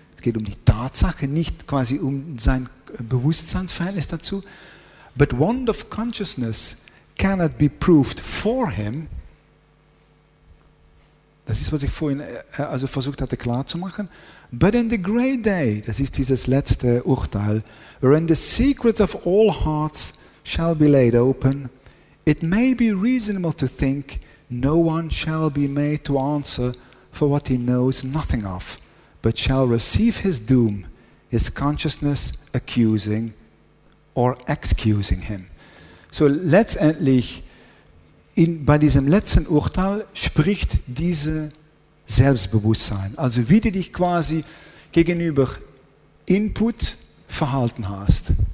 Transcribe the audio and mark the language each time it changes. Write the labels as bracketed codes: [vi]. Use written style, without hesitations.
[de] Es geht um die Tatsache, nicht quasi um sein Bewusstseinsverhältnis dazu. [en] But want of consciousness cannot be proved for him. [de] Das ist, was ich vorhin also versucht hatte klarzumachen. [en] But in the great day, [de] das ist dieses letzte Urteil, [en] wherein the secrets of all hearts shall be laid open, it may be reasonable to think no one shall be made to answer for what he knows nothing of, but shall receive his doom, his consciousness accusing or excusing him. [de] So letztendlich, bei diesem letzten Urteil spricht diese Selbstbewusstsein. Also wie du dich quasi gegenüber Input verhalten hast.